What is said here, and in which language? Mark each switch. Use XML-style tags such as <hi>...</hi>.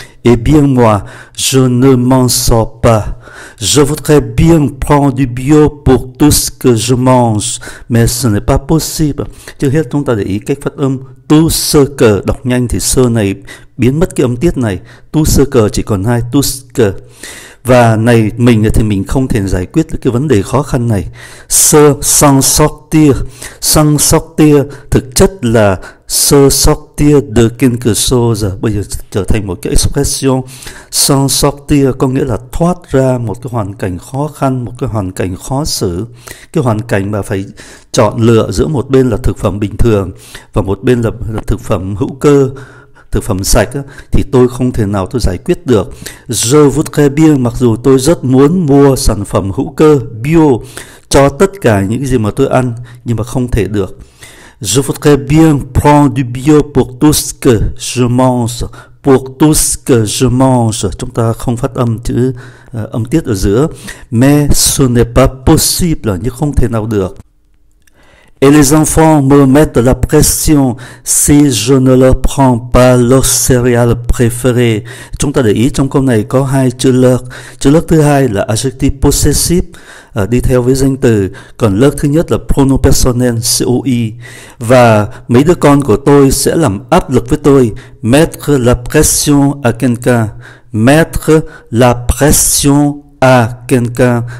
<fr>Et bien moi, je ne m'en sors pas. Je voudrais bien prendre du bio pour tout ce que je mange, mais ce n'est pas possible.</fr> <vi>Trước hết chúng ta để ý cách phát âm tu sơ cờ, đọc nhanh thì sơ này biến mất cái âm tiết này, tu sơ cờ chỉ còn hai tu cờ. Và này mình thì mình không thể giải quyết được cái vấn đề khó khăn này. Sơ sans sortir thực chất là sơ</vi> <fr>sortir de quelque chose,</fr> <vi>bây giờ trở thành một cái expression. Sans sortir có nghĩa là thoát ra một cái hoàn cảnh khó khăn, một cái hoàn cảnh khó xử, cái hoàn cảnh mà phải chọn lựa giữa một bên là thực phẩm bình thường và một bên là thực phẩm hữu cơ, thực phẩm sạch á, thì tôi không thể nào tôi giải quyết được.</vi> <fr>Je voudrais bien,</fr> <vi>mặc dù tôi rất muốn mua sản phẩm hữu cơ bio cho tất cả những gì mà tôi ăn, nhưng mà không thể được.</vi> <fr>Je voudrais bien prendre du bio pour tout ce que je mange. Pour tout ce que je mange,</fr> <vi>chúng ta không phát âm chữ âm tiết ở giữa.</vi> <fr>Mais ce n'est pas possible,</fr> <vi>nhưng không thể nào được.</vi> <fr>Et les enfants me mettent la pression si je ne leur prends pas leur céréale préférée.</fr> <vi>Chúng ta để ý trong câu này có hai chữ leur. Chữ leur thứ hai là adjective possessive, đi theo với danh từ. Còn leur thứ nhất là pronom personnel, COI. Và mấy đứa con của tôi sẽ làm áp lực với tôi.</vi> <fr>Mettre la pression à quelqu'un. Mettre la pression à quelqu'un.</fr>